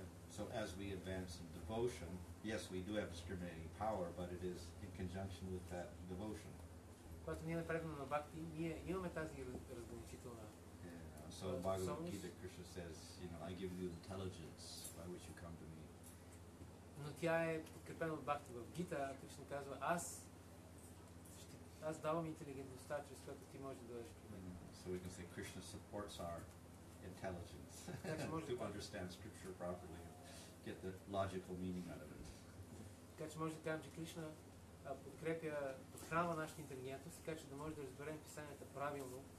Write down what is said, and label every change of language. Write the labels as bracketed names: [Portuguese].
[English] So, as we advance in devotion, yes, we do have discriminating power, but it is in conjunction with that devotion. So, in Bhagavad Gita, Krishna says, you know, I give you intelligence by which you come to me. [Bulgarian] Но тя е подкрепена от бхакти. В Гита Кришна казва, аз давам интелигентността, чрез която ти можеш да дойдеш при мен. [English] So we can say Krishna supports our intelligence to understand scripture properly and get the logical meaning out of it. [Bulgarian] Така че може да кажем, че Кришна подкрепя, подхранва нашата интелигентност, така че да може да разберем писанията правилно